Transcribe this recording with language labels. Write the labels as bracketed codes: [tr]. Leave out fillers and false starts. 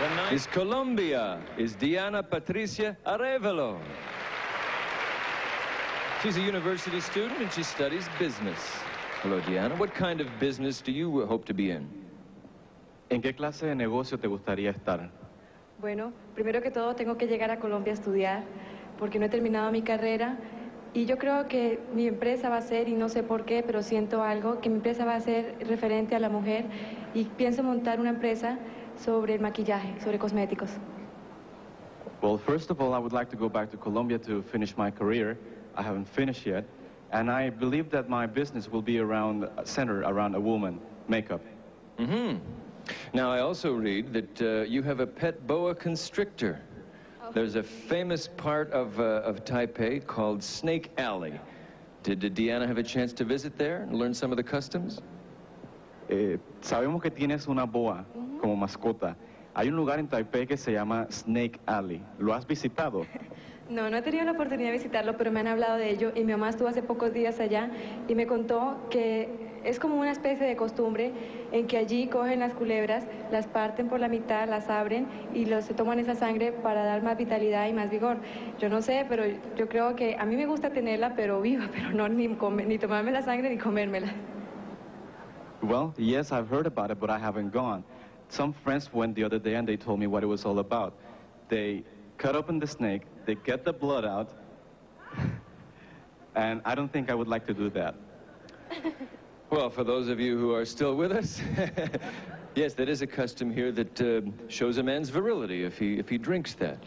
[en] Miss Colombia is Diana Patricia Arevalo. She's a university student and she studies business. Hello, Diana. What kind of business do you hope to be in? [es] ¿En qué clase de negocio te gustaría estar? Bueno, primero que todo, tengo que llegar a Colombia a estudiar porque no he terminado mi carrera. Y yo creo que mi empresa va a ser, y no sé por qué, pero siento algo, que mi empresa va a ser referente a la mujer y pienso montar una empresa sobre el maquillaje, sobre cosméticos. [en] Well, first of all, I would like to go back to Colombia to finish my career. I haven't finished yet. And I believe that my business will be around, centered around a woman, makeup. Mm-hmm. Now, I also read that you have a pet boa constrictor. Okay. There's a famous part of Taipei called Snake Alley. Did Diana have a chance to visit there and learn some of the customs? [es] Sabemos que tienes una boa como mascota. Hay un lugar en Taipei que se llama Snake Alley. ¿Lo has visitado? No, no he tenido la oportunidad de visitarlo, pero me han hablado de ello. Y mi mamá estuvo hace pocos días allá y me contó que es como una especie de costumbre en que allí cogen las culebras, las parten por la mitad, las abren y se toman esa sangre para dar más vitalidad y más vigor. Yo no sé, pero yo creo que a mí me gusta tenerla, pero viva, pero no ni tomarme la sangre ni comérmela. [en] Well, yes, I've heard about it, but I haven't gone. Some friends went the other day and they told me what it was all about. They cut open the snake, they get the blood out, and I don't think I would like to do that. Well, for those of you who are still with us, yes, that is a custom here that shows a man's virility if he drinks that.